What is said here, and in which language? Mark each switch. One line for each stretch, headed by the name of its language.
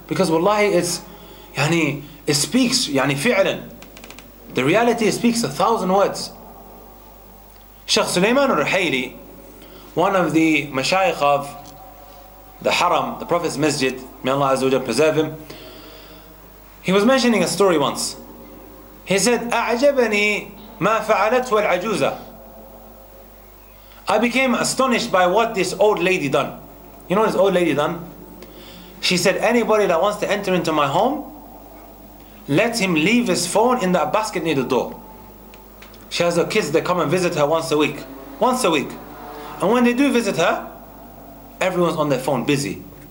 English: Because wallahi, it's, yani, it speaks, yani, fi'lan. The reality speaks 1,000 words. Sheikh Sulaiman al-Ruhayli, one of the mashayikh of the Haram, the Prophet's Masjid, may Allah Azza wa Jalla preserve him, he was mentioning a story once. He said,
Arabic: أعجبني ما فعلته العجوزة.
English: I became astonished by what this old lady done. You know what this old lady done? She said, anybody that wants to enter into my home, let him leave his phone in that basket near the door. She has her kids that come and visit her once a week. Once a week. And when they do visit her, everyone's on their phone busy.